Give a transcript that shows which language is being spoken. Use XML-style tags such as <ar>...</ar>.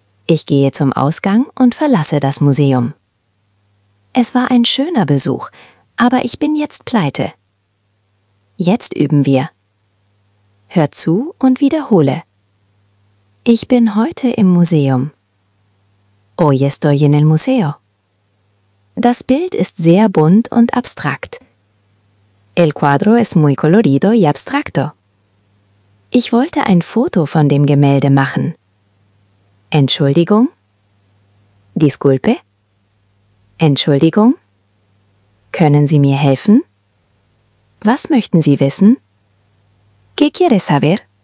<de>Ich gehe zum Ausgang und verlasse das Museum. Es war ein schöner Besuch, aber ich bin jetzt pleite. Jetzt üben wir. Hör zu und wiederhole. Ich bin heute im Museum.</de> <es>Hoy estoy en el museo.</es> <de>Das Bild ist sehr bunt und abstrakt.</de> <es>El cuadro es muy colorido y abstracto.</es> <de>Ich wollte ein Foto von dem Gemälde machen. Entschuldigung?</de> <es>Disculpe?</es> <de>Entschuldigung? Können Sie mir helfen? Was möchten Sie wissen?</de> <es>¿Qué quieres saber?</es>